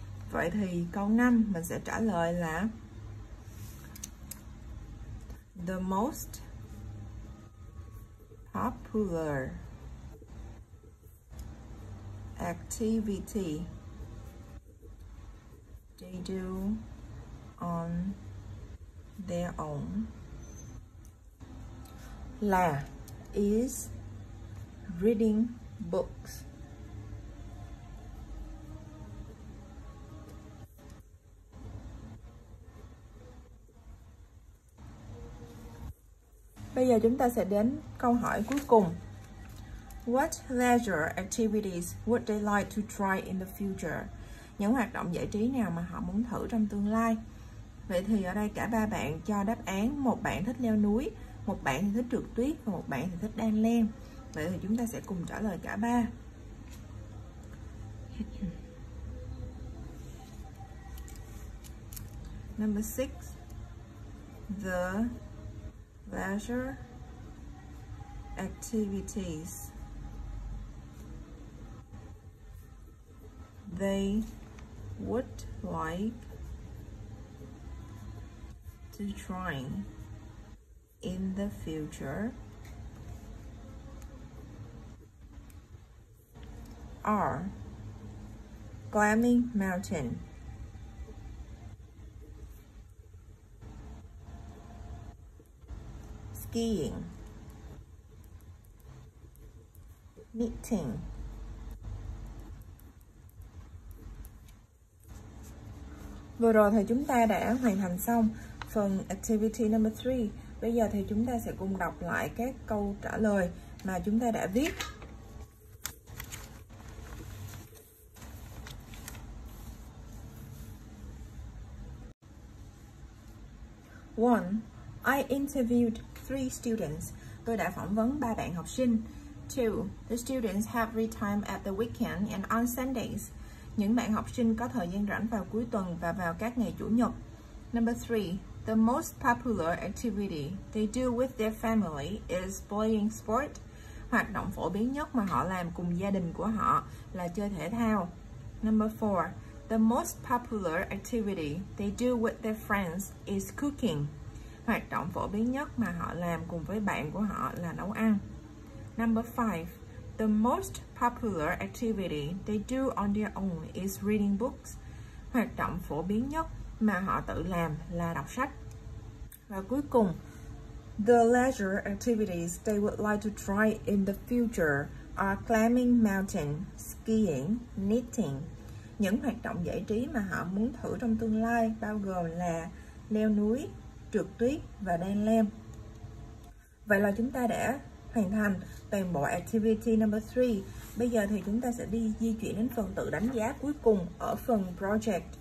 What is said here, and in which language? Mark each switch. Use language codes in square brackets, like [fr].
[vi] Vậy thì câu 5 mình sẽ trả lời là [en] the most popular activity they do on their own là is reading books. [vi] Bây giờ chúng ta sẽ đến câu hỏi cuối cùng. [en] What leisure activities would they like to try in the future? [vi] Những hoạt động giải trí nào mà họ muốn thử trong tương lai? Vậy thì ở đây cả ba bạn cho đáp án. Một bạn thích leo núi, một bạn thì thích trượt tuyết và một bạn thì thích đan len. Vậy thì chúng ta sẽ cùng trả lời cả ba. [en] Number 6, the leisure activities they would like to try in the future are climbing mountain, skiing, knitting, [vi] vừa rồi thì chúng ta đã hoàn thành xong phần activity number 3. Bây giờ thì chúng ta sẽ cùng đọc lại các câu trả lời mà chúng ta đã viết. [en] One, I interviewed 3 students. [vi] Tôi đã phỏng vấn 3 bạn học sinh. [en] Two, the students have free time at the weekend and on Sundays. [vi] Những bạn học sinh có thời gian rảnh vào cuối tuần và vào các ngày chủ nhật. [en] Number 3, the most popular activity they do with their family is playing sport. [vi] Hoạt động phổ biến nhất mà họ làm cùng gia đình của họ là chơi thể thao. [en] Number 4, the most popular activity they do with their friends is cooking. [vi] Hoạt động phổ biến nhất mà họ làm cùng với bạn của họ là nấu ăn. [en] Number 5, the most popular activity they do on their own is reading books. [vi] Hoạt động phổ biến nhất mà họ tự làm là đọc sách. Và cuối cùng, [en] the leisure activities they would like to try in the future are climbing mountain, skiing, knitting. [vi] Những hoạt động giải trí mà họ muốn thử trong tương lai bao gồm là leo núi, trượt tuyết và đan len. Vậy là chúng ta đã hoàn thành toàn bộ activity number 3. Bây giờ thì chúng ta sẽ đi di chuyển đến phần tự đánh giá cuối cùng ở phần project.